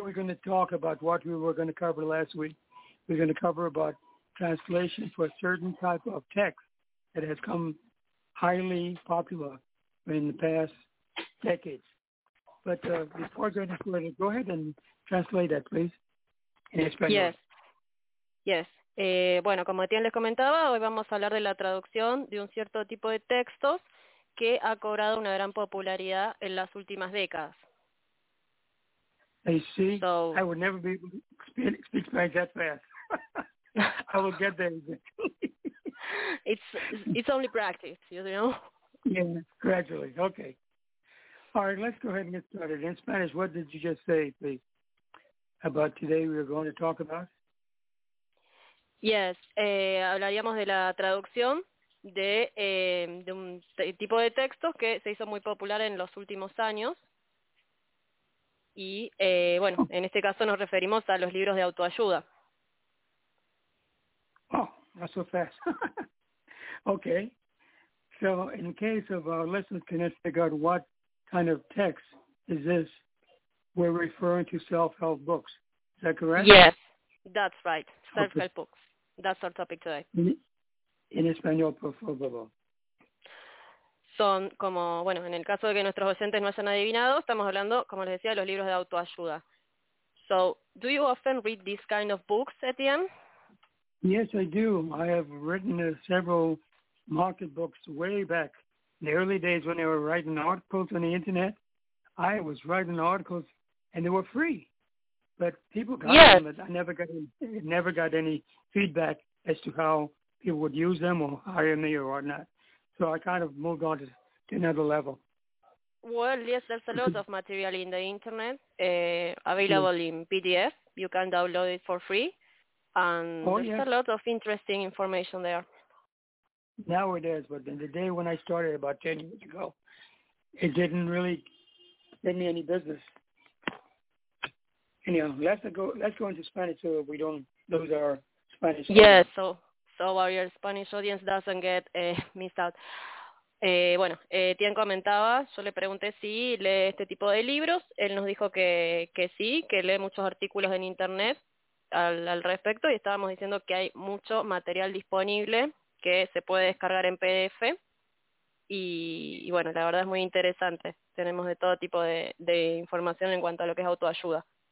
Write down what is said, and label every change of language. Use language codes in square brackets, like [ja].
[en] we're going to talk about what we were going to cover last week. We're going to cover about translation for a certain type of text that has come highly popular in the past decades. But before going further, go ahead and translate that, please. Yes. [es] Bueno, como Etienne les comentaba, hoy vamos a hablar de la traducción de un cierto tipo de textos que ha cobrado una gran popularidad en las últimas décadas. [en] I see. So, I would never be able to speak Spanish that fast. I will get there. it's only practice, you know? Yeah, gradually. Okay. All right, let's go ahead and get started. In Spanish, what did you just say, please? About today we are going to talk about? [es] Yes, hablaríamos de la traducción de un tipo de textos que se hizo muy popular en los últimos años. Y bueno, en este caso nos referimos a los libros de autoayuda. [en] Oh, not so fast. Okay. So in case of our listeners, can you figure out what kind of text is this? We're referring to self-help books. Is that correct? Yes, that's right. Self-help books. That's our topic today. [es] In español, por favor. Son como, bueno, en el caso de que nuestros oyentes no hayan adivinado, estamos hablando, como les decía, de los libros de autoayuda. [en] So, do you often read these kind of books, Etienne? Yes, I do. I have written several market books way back in the early days when they were writing articles on the internet. I was writing articles. And they were free, but people got them. But I never got any feedback as to how people would use them or hire me or whatnot. So I kind of moved on to another level. Well, yes, there's a lot of material in the internet available in PDF. You can download it for free, and there's a lot of interesting information there. Now it is, but in the day when I started about 10 years ago, it didn't really pay me any business. Anyhow, let's go into Spanish so we don't lose our Spanish. Yes, so our Spanish audience doesn't get missed out. [es] Tian comentaba, yo le pregunté si lee este tipo de libros. Él nos dijo que sí, que lee muchos artículos en internet al respecto, y estábamos diciendo que hay mucho material disponible que se puede descargar en PDF. Y bueno, la verdad es muy interesante. Tenemos de todo tipo de información en cuanto a lo que es autoayuda.